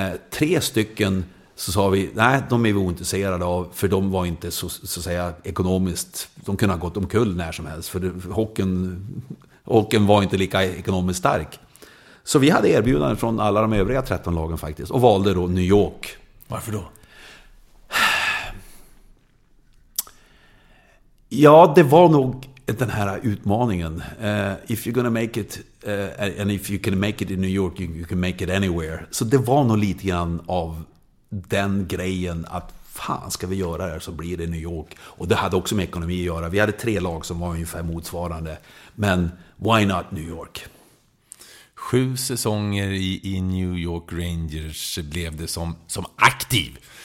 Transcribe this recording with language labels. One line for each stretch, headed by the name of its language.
Swedish: 3 stycken så sa vi, nej, de är vi ointresserade av, för de var inte så att säga ekonomiskt, de kunde ha gått omkull när som helst, för hockeyn var inte lika ekonomiskt stark. Så vi hade erbjudanden från alla de övriga 13 lagen faktiskt, och valde då New York. Varför då? Ja, det var nog den här utmaningen.
English: If you're gonna make it, and if you can make it in New York, you can make it anywhere.
Swedish: Så det var nog lite grann av den grejen, att fan ska vi göra det här, så blir det New York. Och det hade också med ekonomi att göra. Vi hade 3 lag som var ungefär motsvarande, men why not New York? 7 säsonger i New York Rangers blev det som aktiv.